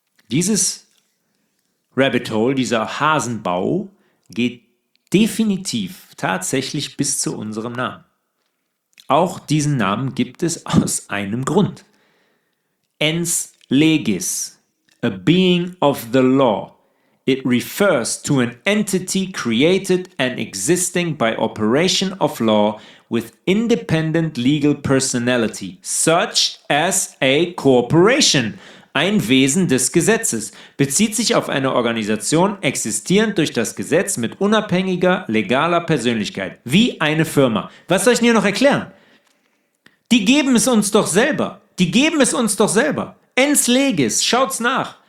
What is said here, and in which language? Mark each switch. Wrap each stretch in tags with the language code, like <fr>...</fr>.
<de>Dieses Rabbit Hole, dieser Hasenbau, geht definitiv tatsächlich bis zu unserem Namen. Auch diesen Namen gibt es aus einem Grund.</de> <en>Ens legis, a being of the law. It refers to an entity created and existing by operation of law with independent legal personality, such as a corporation.</en> <de>Ein Wesen des Gesetzes bezieht sich auf eine Organisation, existierend durch das Gesetz mit unabhängiger, legaler Persönlichkeit, wie eine Firma. Was soll ich denn hier noch erklären? Die geben es uns doch selber. Die geben es uns doch selber. Ens legis, schaut's nach.</de>